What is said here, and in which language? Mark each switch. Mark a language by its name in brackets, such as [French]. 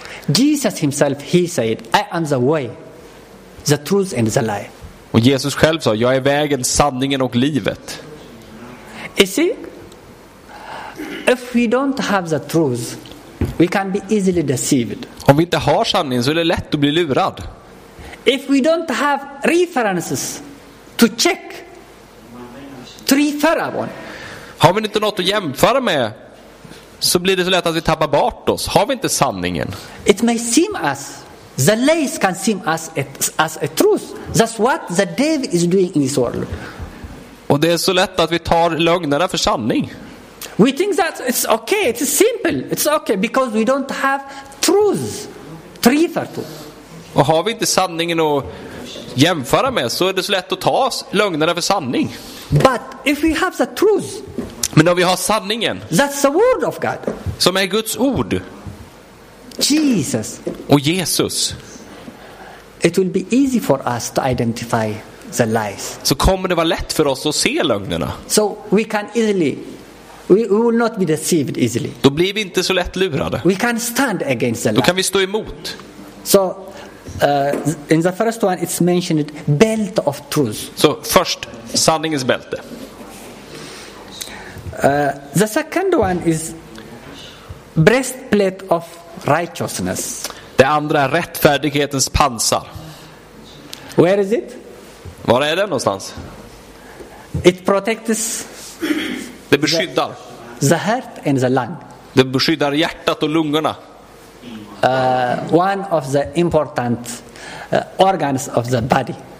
[English] Jesus himself, he said, I am the way, the truth and the life. [Swedish] Och Jesus själv sa, jag är vägen, sanningen och livet. [English] You see, if we don't have the truth, we can be easily deceived. [Swedish] Om vi inte har sanningen så är det lätt att bli lurad. [English] If we don't have references to check, to refer upon. [Swedish] Har vi inte något att jämföra med så blir det så lätt att vi tappar bort oss. Har vi inte sanningen? [English] It may seem us. The lies can seem as a truth. That's what the devil is doing in this world. [Swedish] Och det är så lätt att vi tar lögnerna för sanning. [English] We think that it's okay, it's simple. It's okay because we don't have truth to refer to. [Swedish] Och har vi inte sanningen att jämföra med så är det så lätt att ta lögnerna för sanning. [English] But if we have the truth. [Swedish] Men om vi har sanningen. [English] That's the word of God. [Swedish] Som är Guds ord. [English] Jesus. [Swedish] Och Jesus. [English] It will be easy for us to identify the lies. [Swedish] Så kommer det vara lätt för oss att se lögnerna. [English] So we can easily, we will not be deceived easily. [Swedish] Då blir vi inte så lätt lurade. [English] We can stand against the lies. [Swedish] Då kan vi stå emot. [English] So in the first one it's mentioned belt of truth. [Swedish] Så först sanningens bälte. [English] The second one is breastplate of righteousness. [Swedish] Det andra är rättfärdighetens pansar. [English] Where is it? [Swedish] Var är den någonstans? [English] It protects. [Swedish] Det beskyddar. [English] The heart and the lung. [Swedish] Det beskyddar hjärtat och lungorna. [English] One of the important organs of the body.